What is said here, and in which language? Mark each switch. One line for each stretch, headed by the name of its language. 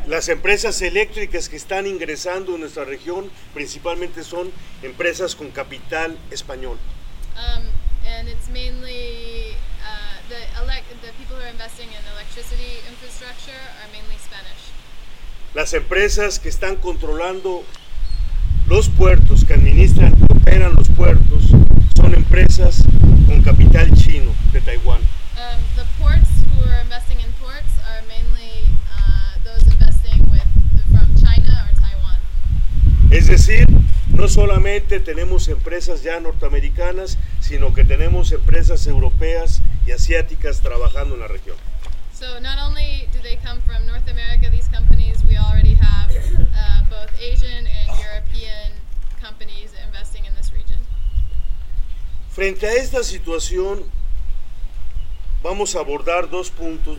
Spanish: Las empresas eléctricas que están ingresando en nuestra región principalmente son empresas con capital español.
English: And it's mainly the people who are investing in electricity infrastructure are mainly Spanish.
Spanish: Las empresas que están controlando los puertos, que administran y operan los puertos, son empresas con capital chino de Taiwán.
English: The ports who are investing in ports are mainly those investing from China or Taiwan.
Spanish: Es decir, no solamente tenemos empresas ya norteamericanas, sino que tenemos empresas europeas y asiáticas trabajando en la región.
English: So not only do they come from North America, these companies, we already have both Asian and European companies investing in this region.
Spanish: Frente a esta situación, vamos a abordar dos puntos.